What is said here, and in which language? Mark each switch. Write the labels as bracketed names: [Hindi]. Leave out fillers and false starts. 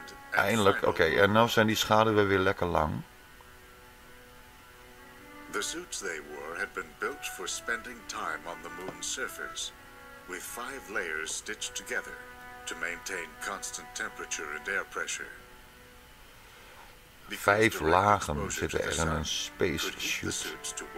[Dutch] Eindelijk, oké. En nou zijn die schaduwen weer lekker lang. [English] The suits they wore had been built for spending time on the moon's surface, with five layers stitched together to maintain constant temperature and air pressure. [Dutch] Vijf lagen zitten er in een spacesuit.